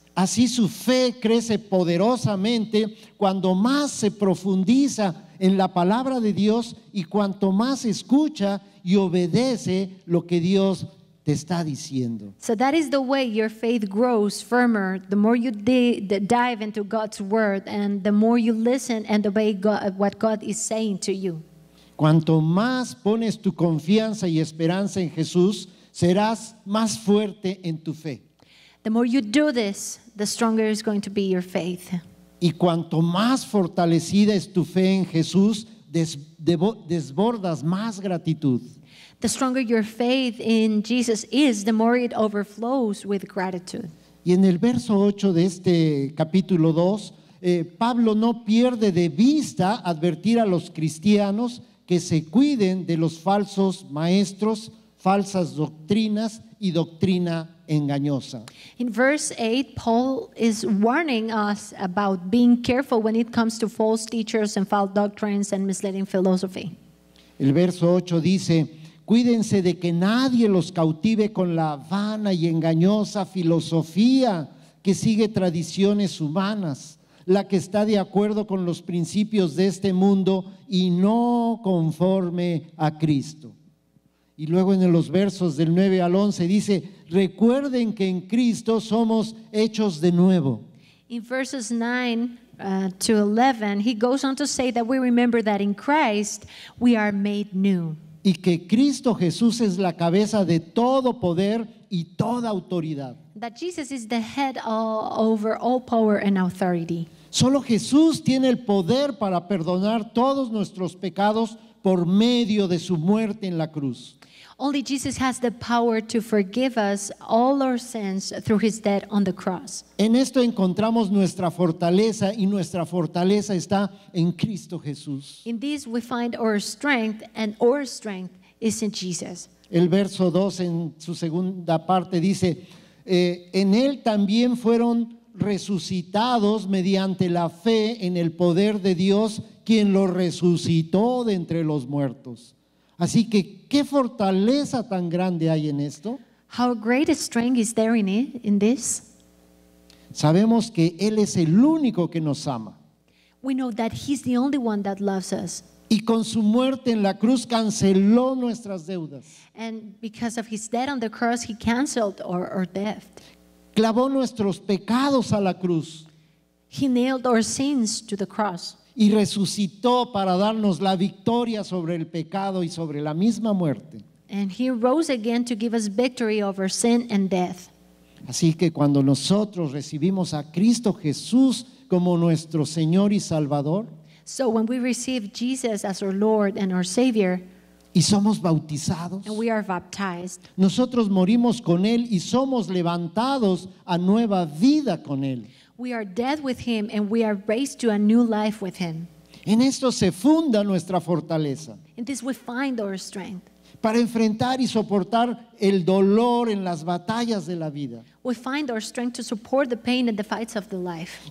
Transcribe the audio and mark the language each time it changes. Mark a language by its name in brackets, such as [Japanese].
[Spanish] Así su fe crece poderosamente cuando más se profundiza en la palabra de Dios y cuanto más escucha y obedece lo que Dios te está diciendo. [English] So that is the way your faith grows firmer, the more you dive into God's word and the more you listen and obey God, what God is saying to you. [Spanish] Cuanto más pones tu confianza y esperanza en Jesús, serás más fuerte en tu fe. [English] The more you do this, the stronger is going to be your faith. [Spanish] Y cuanto más fortalecida es tu fe en Jesús, desbordas más gratitud. [English] The stronger your faith in Jesus is, the more it overflows with gratitude. [Spanish] Y en el verso 8 de este capítulo 2, Pablo no pierde de vista advertir a los cristianos que se cuiden de los falsos maestros, falsas doctrinas y doctrina engañosa. [English] In verse 8, Paul is warning us about being careful when it comes to false teachers and false doctrines and misleading philosophy. [Spanish] El verso 8 dice, cuídense de que nadie los cautive con la vana y engañosa filosofía que sigue tradiciones humanas, la que está de acuerdo con los principios de este mundo y no conforme a Cristo. Y luego en los versos del 9 al 11 dice, recuerden que en Cristo somos hechos de nuevo. [English] In verses 9 to 11, he goes on to say that we remember that in Christ we are made new. [Spanish] Y que Cristo Jesús es la cabeza de todo poder y toda autoridad. [English] That Jesus is the head over all power and authority. [Spanish] Solo Jesús tiene el poder para perdonar todos nuestros pecados por medio de su muerte en la cruz. [English] Only Jesus has the power to forgive us all our sins through his death on the cross. [Spanish] En esto encontramos nuestra fortaleza y nuestra fortaleza está en Cristo Jesús. [English] In this we find our strength and our strength is in Jesus. [Spanish] El verso 2 en su segunda parte dice, en él también fueron resucitados mediante la fe en el poder de Dios, quien lo resucitó de entre los muertos. Así que, ¿qué fortaleza tan grande hay en esto? [English] How great a strength is there in this? [Spanish] Sabemos que Él es el único que nos ama. [English] We know that He's the only one that loves us. [Spanish] Y con su muerte en la cruz canceló nuestras deudas. [English] And because of His death on the cross, He canceled our debt. [Spanish] Clavó nuestros pecados a la cruz. [English] He nailed our sins to the cross. [Spanish] Y resucitó para darnos la victoria sobre el pecado y sobre la misma muerte. [English] And he rose again to give us victory over sin and death. [Spanish] Así que cuando nosotros recibimos a Cristo Jesús como nuestro Señor y Salvador, [English] so when we receive Jesus as our Lord and our Savior, [Spanish] y somos bautizados, [English] and we are baptized, [Spanish] nosotros morimos con Él y somos levantados a nueva vida con Él. [English] We are dead with him and we are raised to a new life with him. [Spanish] En esto se funda nuestra fortaleza. [English] In this we find our strength. [Spanish] Para enfrentar y soportar el dolor en las batallas de la vida. [English] We find our strength to support the pain and the fights of the life.